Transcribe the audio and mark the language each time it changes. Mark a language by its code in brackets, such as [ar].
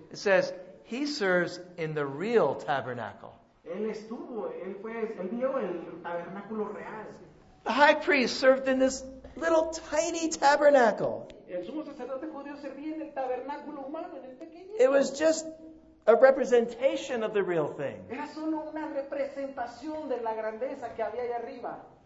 [en] it says, he serves in the real tabernacle. [es] Él estuvo, él fue, él vio el tabernáculo real. [en] The high priest served in this little tiny tabernacle. [es] El sumo sacerdote judío servía en el tabernáculo humano, en el pequeño. [en] It was just a representation of the real thing. [es] Era solo una representación de la grandeza que había allá arriba.